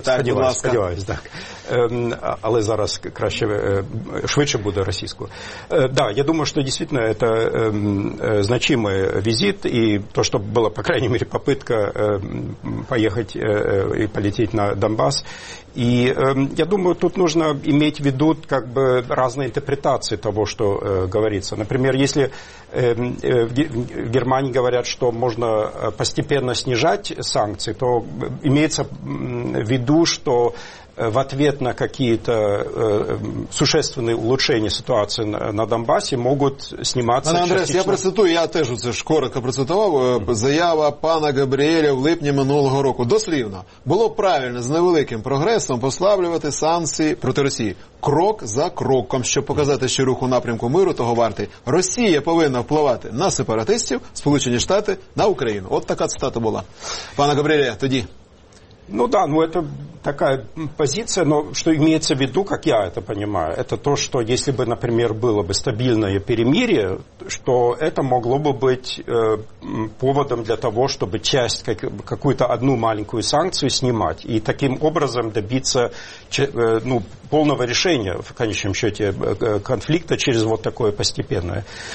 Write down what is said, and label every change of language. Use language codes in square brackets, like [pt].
[uk] Так, будь ласка. Сподіваюсь, так. Але зараз краще, швидше буде російською. Да, я думаю, що дійсно це значимий візит. І то, що була, по крайній мірі, попитка поїхати і полетіти на Донбас. [ru] И я думаю, тут нужно иметь в виду как бы разные интерпретации того, что говорится. Например, если в Германии говорят, что можно постепенно снижать санкции, то имеется в виду, что в ответ на какие-то существенные улучшения ситуации на Донбассе могут сниматься частично. [uk] Андрес, я процитую, я теж це ж коротко процитував, заява пана Габріеля в липні минулого року. Дослівно, було правильно з невеликим прогресом послаблювати санкції проти Росії. Крок за кроком, щоб показати, що рух у напрямку миру того вартий. Росія повинна впливати на сепаратистів, Сполучені Штати, на Україну. От така цитата була. Пане Габріеля, тоді. [ru] Ну да, ну это такая позиция, но что имеется в виду, как я это понимаю, это то, что если бы, например, было бы стабильное перемирие, что это могло бы быть поводом для того, чтобы часть, какую-то одну маленькую санкцию снимать и таким образом добиться полного решения, в конечном счете, конфликта через вот такое постепенное.